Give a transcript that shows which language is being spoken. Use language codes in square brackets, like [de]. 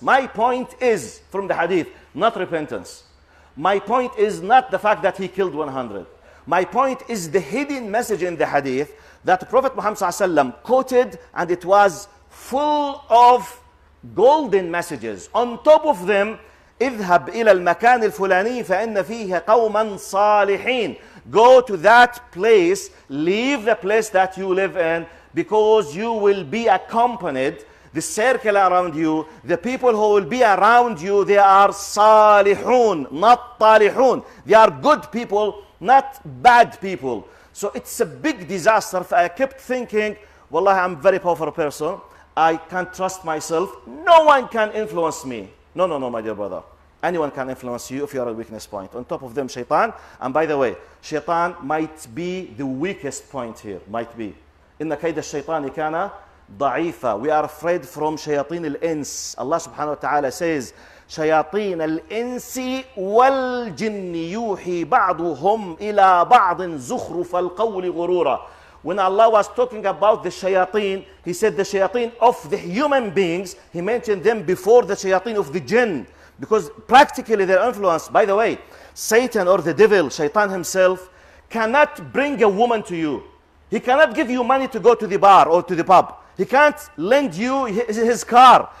[en] My point is, from the hadith, not repentance. My point is not the fact that he killed 100. My point is the hidden message in the hadith that Prophet Muhammad sallallahu alayhi wa sallam quoted, and it was full of golden messages. On top of them, [ar] اذهب إلى المكان الفلاني فإن فيه قوما صالحين. [en] Go to that place, leave the place that you live in, because you will be accompanied, the circle around you, the people who will be around you, they are صالحون, not طالحون. They are good people, not bad people. So it's a big disaster. I kept thinking, wallah, I'm a very powerful person. I can't trust myself. No one can influence me. No, my dear brother. Anyone can influence you if you are a weakness point. On top of them, shaitan. And by the way, shaitan might be the weakest point here. Might be. [ar] إن كيد الشيطان كان ضعيفا. [en] We are afraid from [ar] شياطين الإنس. [en] Allah subhanahu wa ta'ala says, [ar] شياطين الإنس والجن يوحي بعضهم إلى بعض زخرف القول غرورا. [en] When Allah was talking about the shayateen, he said the shayateen of the human beings, he mentioned them before the shayateen of the jinn, because practically their influence, by the way, Satan or the devil, shaitan himself, cannot bring a woman to you. He cannot give you money to go to the bar or to the pub. He can't lend you his car.